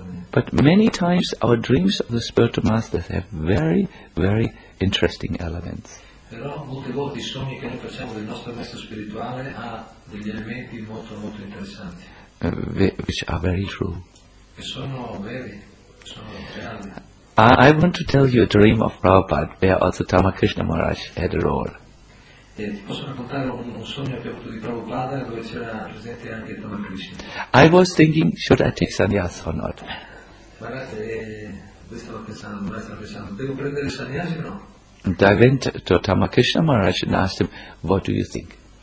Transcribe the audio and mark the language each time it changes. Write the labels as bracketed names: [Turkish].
[English] But many times our dreams of the spiritual masters have very, very interesting elements. [Italian] Però molte volte i sogni che noi facciamo del nostro maestro spirituale ha degli elementi molto molto interessanti. [English] Which are very true. [Italian] Sono veri, sono reali. [English] I want to tell you a dream of Prabhupada where also Tamakrishna Maharaj had a role. [Italian] Posso raccontare un sogno che ho avuto di Prabhupada dove c'era presente anche Tamakrishna. [English] I was thinking, should I take sannyasa or not? [Italian] Guardate, stavo pensando, devo prendere sannyasa o no? [English] And I went to Tamakrishna Maharaj and asked him, what do you think?